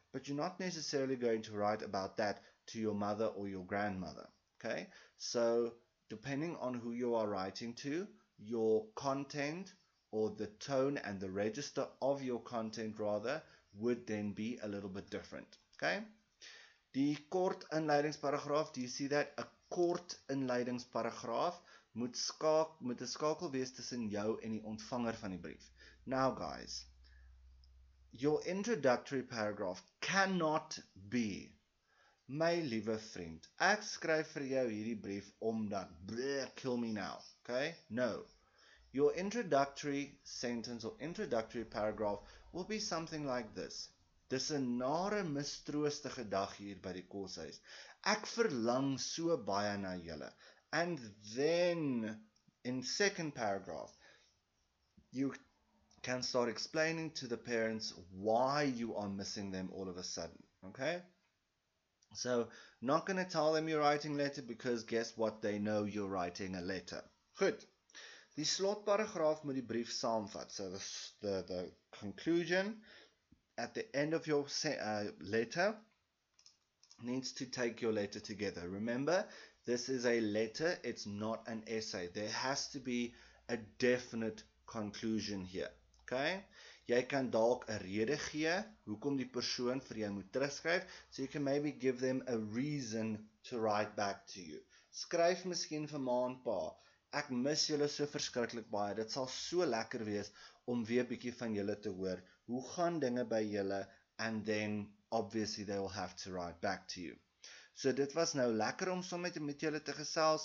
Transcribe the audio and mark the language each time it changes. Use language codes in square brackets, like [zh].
[en] But you're not necessarily going to write about that to your mother or your grandmother. Okay? So, depending on who you are writing to, your content or the tone and the register of your content, rather, would then be a little bit different. Okay? [af] Die kort inleidingsparagraaf, [en] do you see that? [af] A kort inleidingsparagraaf moet 'n skakel wees tussen jou en die ontvanger van die brief. [en] Now guys, your introductory paragraph cannot be, [af] my liewe vriend, ek skryf vir jou hierdie brief omdat, [en] bleh, kill me now, okay? No. Your introductory sentence or introductory paragraph will be something like this. [af] Dis 'n nare, mistroostige dag hier by die koshuis. Ek verlang so baie na julle. [en] And then, in second paragraph, you can start explaining to the parents why you are missing them all of a sudden, okay? So, not going to tell them you're writing a letter because guess what? They know you're writing a letter. [af] Goed. Die slotparagraaf moet die brief saamvat. [en] So, the conclusion at the end of your letter needs to take your letter together. Remember, this is a letter, it's not an essay. There has to be a definite conclusion here. Okay? [af] Jy kan dalk 'n rede gee hoekom die persoon vir jou moet terugskryf. [en] So you can maybe give them a reason to write back to you. [af] Skryf miskien vir ma en pa, ek mis julle so verskriklik baie. Dit sal so lekker wees om weer bietjie van julle te hoor. Hoe gaan dinge by julle? [en] And then obviously they will have to write back to you. So [af] dit was nou lekker om saam met julle te gesels.